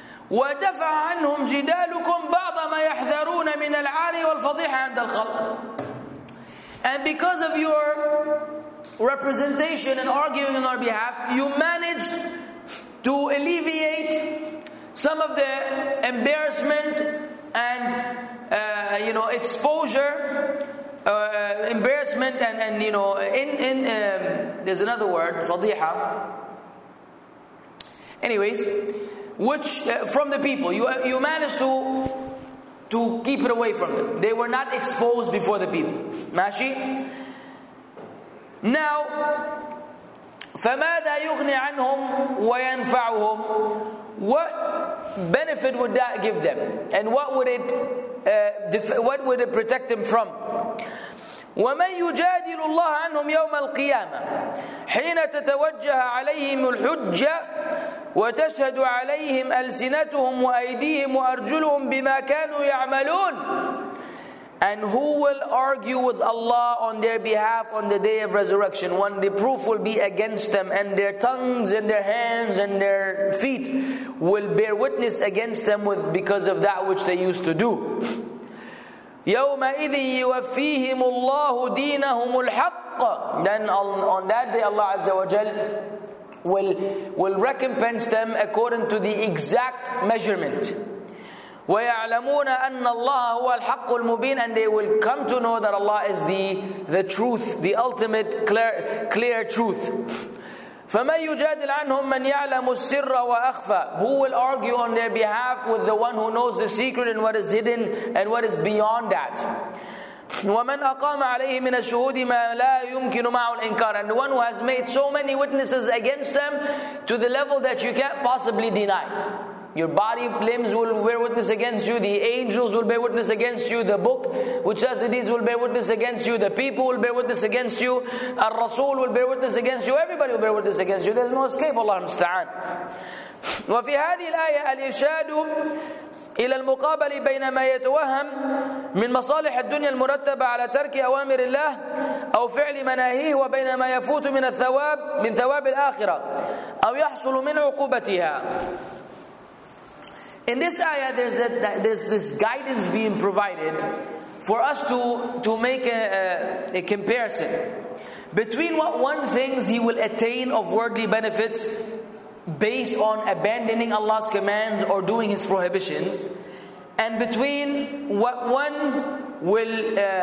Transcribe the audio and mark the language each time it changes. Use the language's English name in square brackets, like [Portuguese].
[Arabic] ودفع عنهم جدالكم بعض ما يحذرون من العاري والفضيحة عند الخلق. [English] And because of your representation and arguing on our behalf, you managed to alleviate some of the embarrassment and exposure, embarrassment and you know, in there's another word, فضيحة. Anyways. Which from the people you managed to keep it away from them. They were not exposed before the people. Mashi. [Arabic] Now, فماذا يغني عنهم وينفعهم? [English] What benefit would that give them? And what would it what would it protect them from? [Arabic] ومن يجادل الله عنهم يوم القيامة حين تتوجه عليهم الحجة وتشهد عليهم ألسنتهم وأيديهم وأرجلهم بما كانوا يعملون. [English] And who will argue with Allah on their behalf on the day of resurrection when the proof will be against them and their tongues and their hands and their feet will bear witness against them with because of that which they used to do. [Arabic] يومئذ يوفيهم الله دينهم الحق. [English] Then on that day Allah Azza wa Jal will recompense them according to the exact measurement. [Arabic] ويعلمون أن الله هو الحق المبين. [English] And they will come to know that Allah is the truth, the ultimate clear truth. [Arabic] فمن يجادل عنهم من يعلم السر وأخفى. [English] Who will argue on their behalf with the one who knows the secret and what is hidden and what is beyond that. [Arabic] ومن أقام عليه من الشهود ما لا يمكن معه الإنكار. [English] And the one who has made so many witnesses against them to the level that you can't possibly deny. Your body limbs will bear witness against you. The angels will bear witness against you. The book which has the deeds will bear witness against you. The people will bear witness against you. Al-Rasul will bear witness against you. Everybody will bear witness against you. There's no escape. Allah musta'an. [Arabic] وفي هذه الآية الإرشاد إلى المقابل بين ما يتوهم من مصالح الدنيا المرتبة على ترك أوامر الله أو فعل مناهيه وبين ما يفوت من الثواب من ثواب الآخرة أو يحصل من عقوبتها. [English] In this ayah, there's this guidance being provided for us to make a comparison between what one thinks he will attain of worldly benefits based on abandoning Allah's commands or doing His prohibitions, and between what one will